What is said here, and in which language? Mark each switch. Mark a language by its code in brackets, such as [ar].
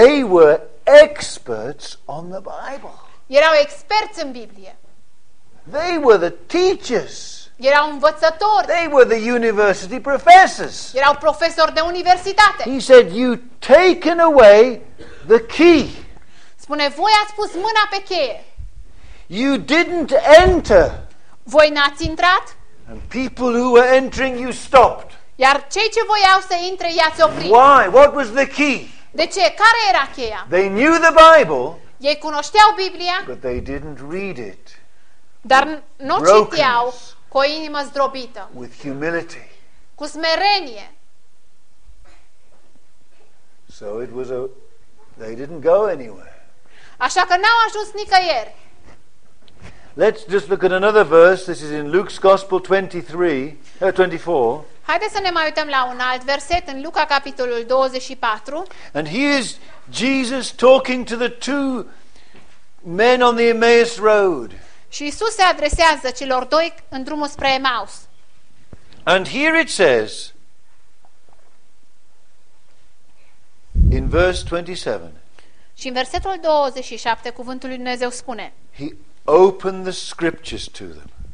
[en] They were experts on the Bible. [ro] Erau experți în Biblie. [en] They were the teachers. [ro] Erau învățători. [en] They were the university professors. [ro] Erau profesori de universitate. [en] He said, "You taken away the key." [ro] Spune, voi ați pus mâna pe cheie. [en] You didn't enter. [ro] Voi n-ați intrat. [en] And people who were entering, you stopped. [ro] Iar cei ce voiau să intre, i-ați oprit. [en] Why? What was the key? [ro] De ce? Care era cheia? [en] They knew the Bible. [ro] Ei cunoșteau Biblia. [en] But they didn't read it. [ro] Dar n-o citeau cu o inimă zdrobită. [en] With humility. [ro] Cu smerenie. [en] So it was a they didn't go anywhere. [ro] Așa că n-au ajuns nicăieri. [en] Let's just look at another verse. This is in Luke's Gospel 24. [ro] Haideți să ne mai uităm la un alt verset în Luca capitolul 24. [en] And here is Jesus talking to the two men on the Emmaus road. [ro] Și Iisus se adresează celor doi în drumul spre Emmaus. [en] And here it says in verse 27. [ro] Și în versetul 27 cuvântul lui Dumnezeu spune. [en] He opened the scriptures to them.